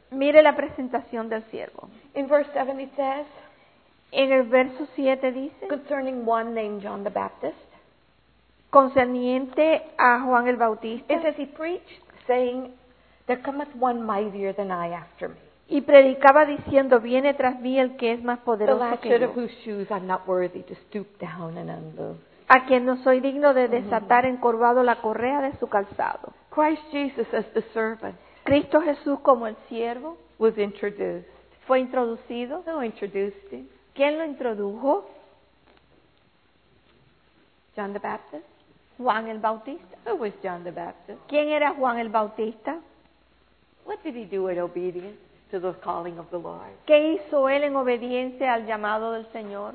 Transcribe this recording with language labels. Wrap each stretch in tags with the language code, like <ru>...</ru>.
<es>Mire la presentación del siervo.</es> <en>In verse 7 it says,</en> <es>en el verso 7 dice,</es> <en>concerning one named John the Baptist,</en> <es>concerniente a Juan el Bautista.</es> <en>It says he preached, saying, there cometh one mightier than I after me.</en> <es>Y predicaba diciendo, viene tras mí el que es más poderoso que yo.</es> <en>The latchet of whose shoes I'm not worthy to stoop down and unloose.</en> <es>A quien no soy digno de desatar encorvado la correa de su calzado.</es> <en>Christ Jesus as the servant.</en> <es>Cristo Jesús como el siervo.</es> <en>Was introduced.</en> <es>Fue introducido.</es> <en>Who introduced him?</en> <es>¿Quién lo introdujo?</es> <en>John the Baptist.</en> <es>Juan el Bautista.</es> <en>Who was John the Baptist?</en> <es>¿Quién era Juan el Bautista?</es> <en>What did he do in obedience to the calling of the Lord?</en> <es>¿Qué hizo él en obediencia al llamado del Señor?</es>